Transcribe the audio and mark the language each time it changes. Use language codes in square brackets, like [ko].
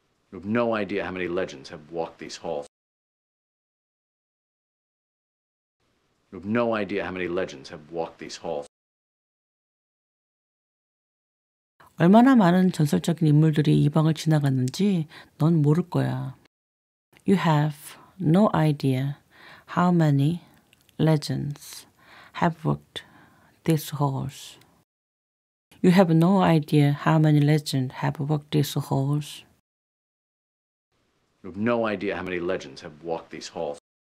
[en] You have no idea how many legends have walked these halls. You have no idea how many legends have walked these halls. [ko] 얼마나 많은 전설적인 인물들이 이 방을 지나갔는지 넌 모를 거야. [en] You have no idea how many legends have walked these halls. You have no idea how many legends have walked these halls. You have no idea how many legends have walked these halls.